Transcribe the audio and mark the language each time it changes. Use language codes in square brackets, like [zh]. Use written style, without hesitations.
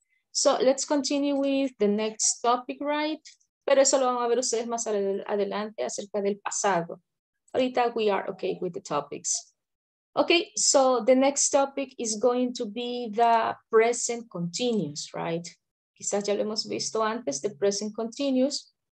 [en] So let's continue with the next topic, right? [es] Pero eso lo vamos a ver ustedes más adelante acerca del pasado. [en] Ahorita we are okay with the topics. Okay, so the next topic is going to be the present continuous, right? [es] Quizás ya lo hemos visto antes, [en] the present continuous.